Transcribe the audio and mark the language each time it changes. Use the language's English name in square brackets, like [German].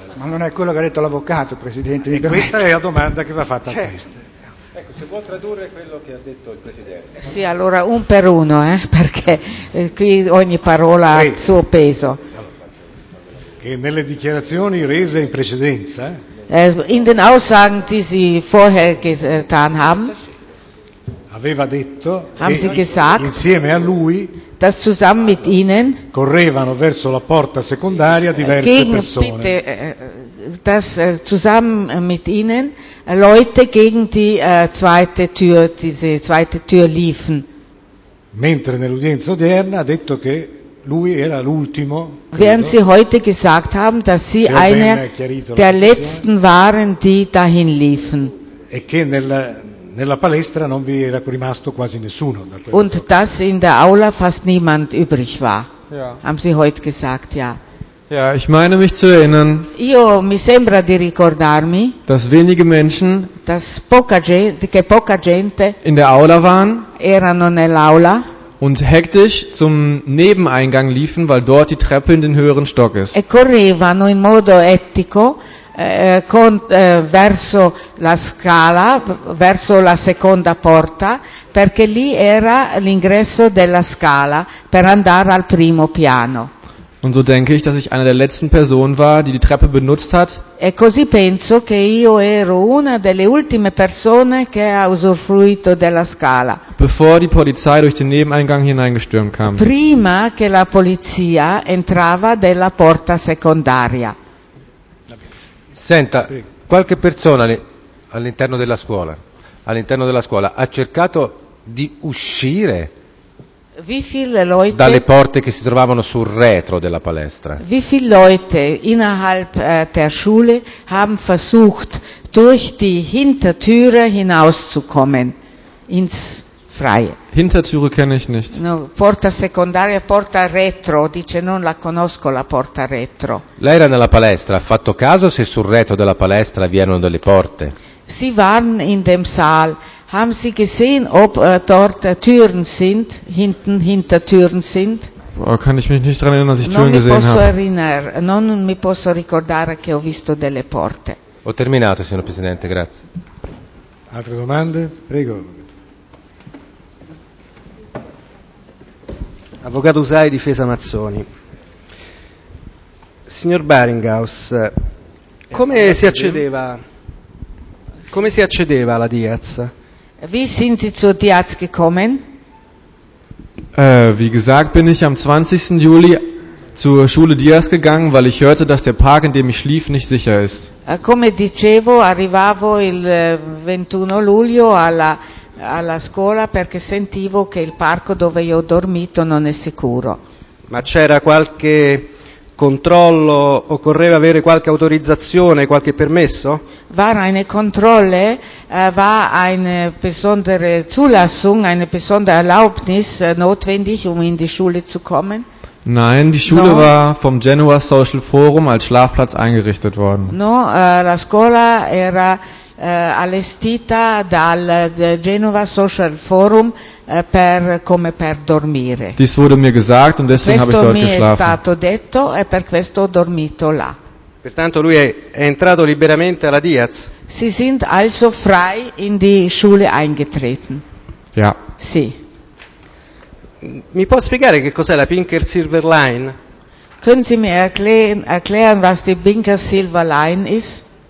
[Italian] ma non è quello che ha detto l'avvocato, Presidente. E questa è la domanda che va fatta al test. Ecco, se può tradurre quello che ha detto il Presidente. Sì, allora un per uno, perché qui ogni parola ha il suo peso. Che nelle dichiarazioni rese in precedenza, [German] in den Aussagen, die sie vorher getan haben, [Italian] aveva detto, [German] haben sie gesagt, [Italian] insieme a lui, [German] dass zusammen mit ihnen, [Italian] correvano verso la porta secondaria diverse persone. [German] Bitte, dass zusammen mit ihnen Leute gegen die zweite Tür, diese zweite Tür liefen. [Italian] Mentre nell'udienza odierna ha detto che lui era l'ultimo. [German] Während sie heute gesagt haben, dass sie einer der letzten waren, die dahin liefen. [Italian] E che nella palestra non vi era rimasto quasi nessuno. [German] Und dass in der Aula fast niemand übrig war. Ja. Haben sie heute gesagt, ja. Ja, ich meine mich zu erinnern. [Italian] Io mi sembra di ricordarmi. [German] Dass wenige Menschen. [Italian] Dass poca gente, che poca gente. [German] In der Aula waren. [Italian] Erano nell'aula. [German] Und hektisch zum Nebeneingang liefen, weil dort die Treppe in den höheren Stock ist. [Italian] E correvano in modo ettico verso la scala, verso la seconda porta, perché lì era l'ingresso della scala per andare al primo piano. [German] Und so denke ich, dass ich eine der letzten Personen war, die die Treppe benutzt hat. [Italian] E così penso che io ero una delle ultime persone che ha usufruito della scala. [German] Bevor die Polizei durch den Nebeneingang hineingestürmt kam. [Italian] Prima che la polizia entrava della porta secondaria. Senta, qualche persona all'interno della scuola ha cercato di uscire. [German] Wie viele Leute, [Italian] dalle porte che si trovavano sul retro della palestra. [German] Wie viele Leute innerhalb der Schule haben versucht, durch die Hintertüre hinauszukommen ins Freie? Hintertüre kenne ich nicht. [Italian] No, porta secondaria, porta retro, dice non la conosco la porta retro. Lei era nella palestra, ha fatto caso se sul retro della palestra vi erano delle porte? [German] Sie waren in dem Saal. Haben Sie gesehen, ob dort Türen sind, hinten Hintertüren sind? Oh, kann ich mich nicht daran erinnern, dass ich Türen gesehen habe. [Italian] Non mi posso ricordare che ho visto delle porte. Ho terminato, signor Presidente, grazie. Altre domande? Prego. Avvocato Usai, difesa Mazzoni. Signor Baringhaus, come si accedeva alla Diaz? [German] Wie sind Sie zur Diaz gekommen? Wie gesagt, bin ich am 20. Juli zur Schule Diaz gegangen, weil ich hörte, dass der Park, in dem ich schlief, nicht sicher ist. [Italian] Come dicevo, arrivavo il 21 luglio alla scuola perché sentivo che il parco dove io ho dormito non è sicuro. Ma c'era qualche controllo, occorreva avere qualche autorizzazione, qualche permesso? [German] War eine Kontrolle, war eine besondere Zulassung, eine besondere Erlaubnis notwendig, um in die Schule zu kommen? Nein, die Schule no. war vom Genoa Social Forum als Schlafplatz eingerichtet worden. [Italian] No, la scuola era allestita dal Genoa Social Forum come per dormire. [German] Dies wurde mir gesagt und deswegen habe ich dort geschlafen. [Italian] Questo mi è stato detto e per questo ho dormito là. Pertanto lui è entrato liberamente alla Diaz. [German] Sie sind also frei in die Schule eingetreten. Ja. [Italian] Sì. Mi può spiegare che cos'è la Pinker Silver Line? [German] Können Sie mir erklären, was die Pinker Silver Line ist?